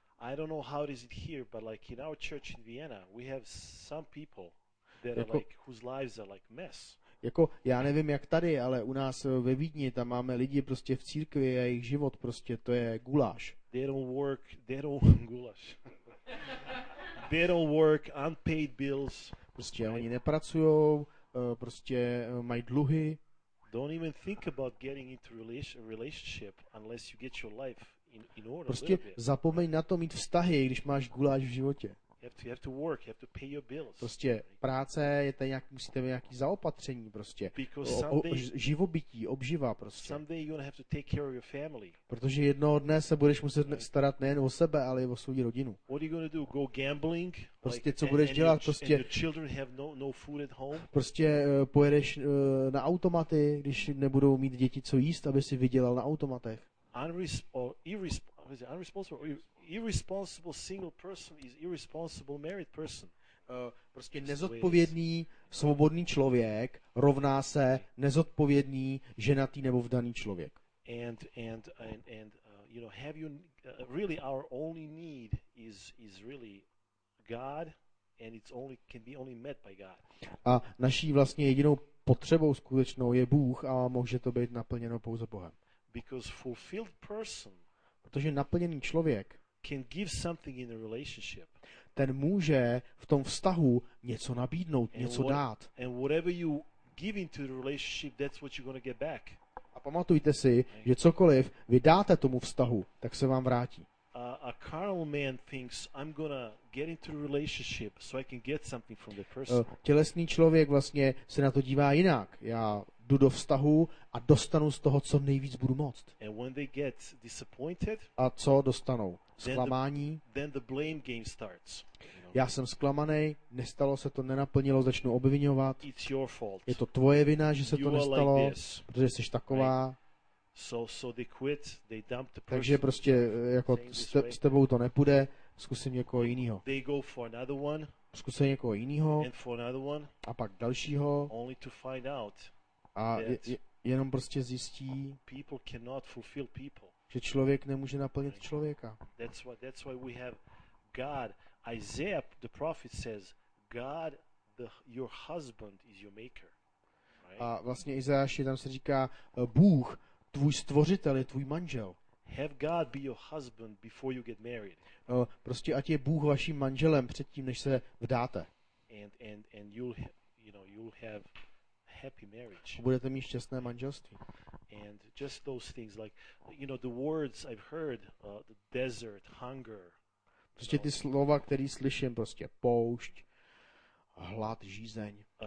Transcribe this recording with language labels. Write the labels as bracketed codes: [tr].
[en] I don't know how it is here, but like in our church in Vienna, we have some people that are like whose lives are like mess. [cs] jako já nevím jak tady, ale u nás ve Vídni tam máme lidi prostě v církvi a jejich život prostě to je guláš. [en] They don't work, they don't guláš. They don't work, unpaid bills. [cs] Prostě oni nepracujou, prostě mají dluhy. [en] Don't even think about getting into a relationship unless you get your life in order. [cs] Prostě zapomeň na to mít vztahy, když máš guláš v životě. [en] You have to work, you have to pay your bills. [cs] Prostě práce je ten nějak, musíte mít nějaký zaopatření prostě. Živobytí, obživa prostě. [en] Someday you're gonna have to take care of your family. [cs] Protože jednoho dne se budeš muset starat nejen o sebe, ale i o svou rodinu. [en] What are you gonna do? Go gambling? [cs] Prostě co budeš dělat prostě? [en] And your children have no food at home. [cs] Prostě pojedeš na automaty, když nebudou mít děti co jíst, aby si vydělal na automatech. [en] Irresponsible single person is irresponsible married person. [cs] Prostě nezodpovědný svobodný člověk rovná se nezodpovědný ženatý nebo vdaný člověk. [en] And you know, have you really our only need is really God, and it's only can be only met by God. [cs] A naší vlastně jedinou potřebou skutečnou je Bůh a může to být naplněno pouze Bohem. [en] Because fulfilled person. [cs] Protože naplněný člověk [en] can give something in a relationship. [cs] Ten může v tom vztahu něco nabídnout, něco dát. [en] And whatever you give into the relationship, that's what you're going to get back. [cs] A pamatujte si, že cokoliv vy dáte tomu vztahu, tak se vám vrátí. [en] A carnal man thinks I'm going to get into the relationship so I can get something from the person. [cs] Tělesný člověk vlastně se na to dívá jinak. Já jdu do vztahu a dostanu z toho, co nejvíc budu moct. [en] And when they get disappointed, [cs] a co dostanou? Zklamání. [en] Then the blame game starts. [cs] Já jsem zklamaný, nestalo se to, nenaplnilo, začnu obviňovat. [en] It's your fault. [cs] Je to tvoje vina, že se [en] you [cs] to nestalo, [en] like this, [cs] protože jsi taková. [en] Right? So they quit, they dump the person. [cs] Takže prostě jako s tebou to nepůjde, zkusím někoho jiného. [en] They go for another one. [cs] Zkusím někoho jiného. [en] And for another one. [cs] A pak dalšího. [en] Only to find out. [cs] A jenom prostě zjistí, [en] people cannot fulfill people. [cs] Že člověk nemůže naplnit člověka. [en] That's why we have God. Isaiah the prophet says God the your husband is your maker. [cs] Right? A vlastně Izajáš tam se říká Bůh, tvůj stvořitel je tvůj manžel. [en] Have God be your husband before you get married. [cs] Prostě ať je Bůh vaším manželem předtím, než se vdáte. [en] And you'll have happy marriage. [cs] Budete mít šťastné manželství. [en] And just those things like you know the words I've heard the desert hunger. [cs] Prostě ty slova, které slyším, prostě poušť, hlad, žízeň.